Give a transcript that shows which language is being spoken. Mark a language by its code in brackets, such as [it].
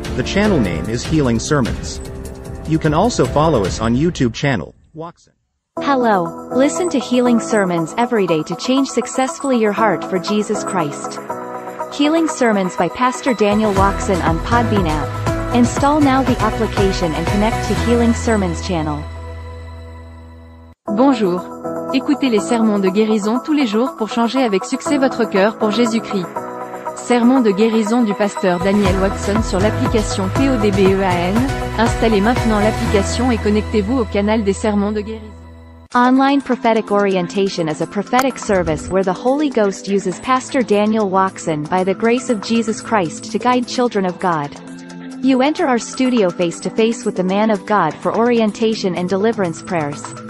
[en] The channel name is Healing Sermons. You can also follow us on YouTube channel, Ouakson. Hello. Listen to Healing Sermons every day to change successfully your heart for Jesus Christ. Healing Sermons by Pastor Daniel Ouakson on Podbean app. Install now the application and connect to Healing Sermons channel. [fr] Bonjour. Écoutez les sermons de guérison tous les jours pour changer avec succès votre cœur pour Jésus-Christ. Sermon de guérison du pasteur Daniel Ouakson sur l'application PODBEAN. Installez maintenant l'application et connectez-vous au canal des sermons de guérison. [en] Online prophetic orientation is a prophetic service where the Holy Ghost uses Pastor Daniel Ouakson by the grace of Jesus Christ to guide children of God. You enter our studio face to face with the man of God for orientation and deliverance prayers.